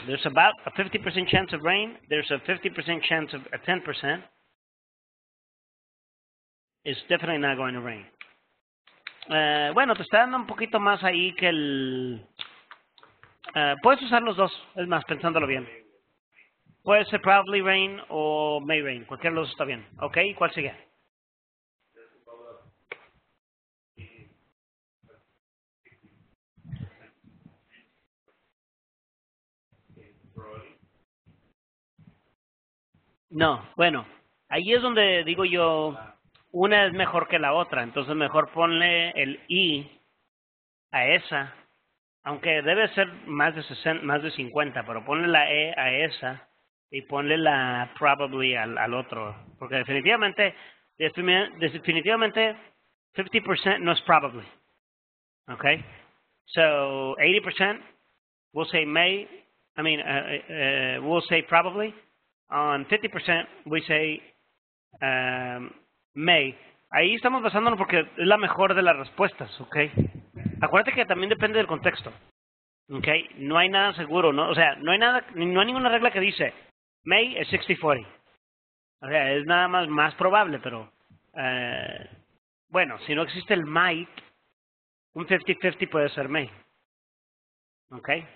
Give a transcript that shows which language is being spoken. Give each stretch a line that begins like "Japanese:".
English: There's about a 50% chance of rain. There's a 50% chance of a 10%. It's definitely not going to rain.
Spanish: Bueno, te está dando un poquito más ahí que el... puedes usar los dos. Es más, pensándolo bien. Puede ser probably rain o may rain. Cualquiera de los está bien. ¿Ok? ¿Y cuál sigue? No. Bueno, ahí es donde digo yo, una es mejor que la otra. Entonces, mejor ponle el I a esa. Aunque debe ser más de 60, más de 50, pero ponle la E a esa. Y ponle la probably al otro. Porque definitivamente 50% no es probably. Okay?
English: So, 80% we'll say may. I mean, we'll say probably. On 50% we say may.
Spanish: Ahí estamos basándonos porque es la mejor de las respuestas. Okay? Acuérdate que también depende del contexto. Okay? No hay nada seguro. ¿No? O sea, no hay ninguna regla que dice... May es 60-40. O sea, es nada más probable, pero... bueno, si no existe el might, un 50-50 puede ser may. ¿Ok?